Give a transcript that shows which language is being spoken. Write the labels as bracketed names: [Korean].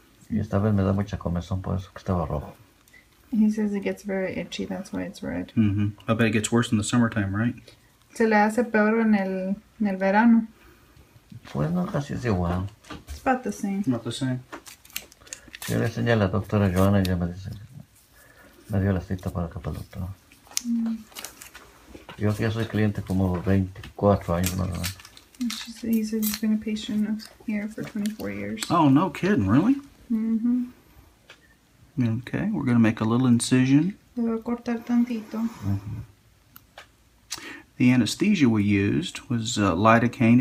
[Spanish] Y esta vez me da mucha comezón, por eso que estaba rojo. [English] He says it gets very itchy, that's why it's red. Mm-hmm. I bet it gets worse in the summertime, right? [Spanish] Se le hace peor en el verano. Pues no, casi es igual. [English] It's about the same. About the same. [Spanish] Yo le enseñé a la doctora Joana y ella me dice, me dio la cita para acá para el doctor. Yo ya soy cliente como 24 años más o menos. [English] He said he's been a patient of here for 24 years. Oh, no kidding, really? Mm-hmm. Okay, we're going to make a little incision. [Spanish] Le voy a cortar tantito. [English] Mm-hmm. The anesthesia we used was lidocaine.